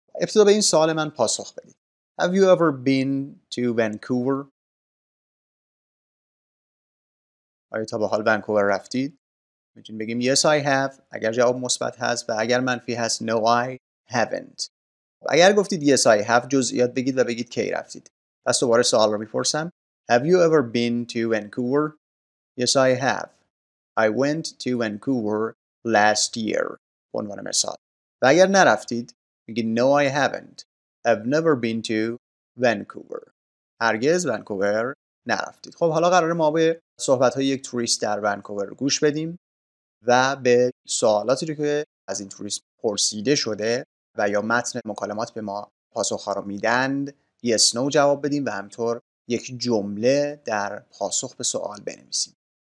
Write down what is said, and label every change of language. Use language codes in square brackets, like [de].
[fa] ابتدا به این سوال من پاسخ بدید. [en] Have you ever been to Vancouver؟ [fa] آیا تا به حال ونکوور رفتید؟ میتونیم بگیم [en] yes I have [fa] اگر جواب مثبت هست، و اگر منفی هست [en] no I haven't. [fa] اگر گفتید [en] yes I have، [fa] جزئیات بگید و بگید کی رفتید. پس دوباره سوال رو میپرسم. [en] Have you ever been to Vancouver? Yes I have. I went to Vancouver last year. [fa] به عنوان مثال. و اگر نرفتید میگید [en] no I haven't. I've never been to Vancouver. [fa] هرگز ونکوور نرفتید. خب حالا قراره ما به صحبت‌های یک توریست در ونکوور گوش بدیم و به سوالاتی رو که از این توریست پرسیده شده و یا متن مکالمات به ما پاسخ‌ها رو میدند yes no جواب بدیم و همطور یک جمله در پاسخ به سوال بنویسیم.